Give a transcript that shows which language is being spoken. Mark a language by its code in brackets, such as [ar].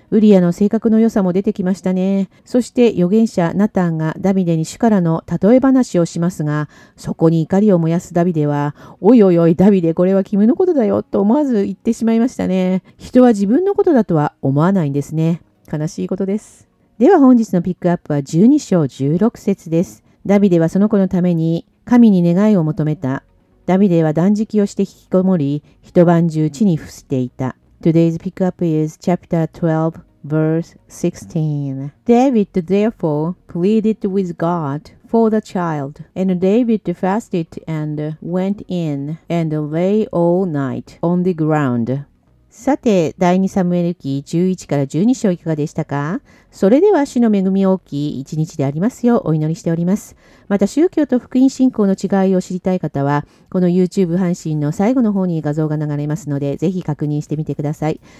[ja] ウリアの性格の良さも出てきましたね。そして預言者ナタンがダビデに主からの例え話をしますが、そこに怒りを燃やすダビデは、おいおいおいダビデ、これは君のことだよと思わず言ってしまいましたね。人は自分のことだとは思わないんですね。悲しいことです。では本日のピックアップは12章16節です。ダビデはその子のために神に願いを求めた。ダビデは断食をして引きこもり、一晩中地に伏していた。 [en] Today's pickup is chapter 12, verse 16. David therefore pleaded with God for the child. And David fasted and went in and lay all night on the ground. [ja] さて、第2サムエル記11から12章いかがでしたか？それでは主の恵み大きい一日でありますようお祈りしております。また宗教と福音信仰の違いを知りたい方は、この YouTube 配信の最後の方に画像が流れますので、ぜひ確認してみてください。